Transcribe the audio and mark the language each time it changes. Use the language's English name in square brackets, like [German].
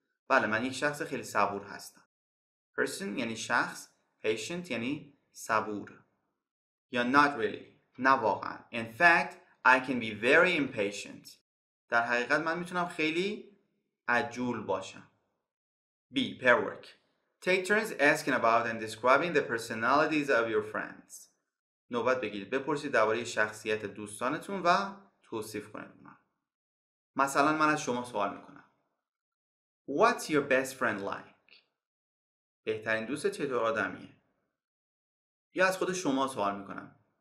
[Persian] بله من یک شخص خیلی صبور هستم. Person یعنی شخص. Patient یعنی صبور. [English] یا not really. [Persian] نه واقعا. [English] In fact, I can be very impatient. [Persian] در حقیقت من میتونم خیلی عجول باشم. [English] B. Pair work. Take turns asking about and describing the personalities of your friends. [Persian] نوبت بگیرید. بپرسید درباره شخصیت دوستانتون و توصیف کنید. مثلا من از شما سوال میکنم. [English] What's your best friend like? [Persian] بهترین دوست چطور آدمیه؟ یا از خود شما سوال میکنم.